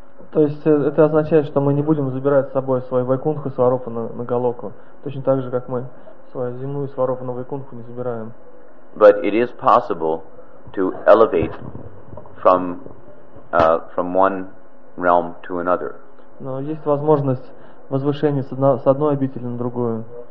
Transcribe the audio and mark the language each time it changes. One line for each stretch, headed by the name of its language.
Russian: То есть это означает, что мы не будем забирать с собой свой Вайкунтха Сварупа на Галоку, точно так же, как мы свою земную Сварупу на Вайкунтху не забираем.
English: But it is possible to elevate from from one realm to another.
Russian: Но есть возможность возвышения с одной обители на другую.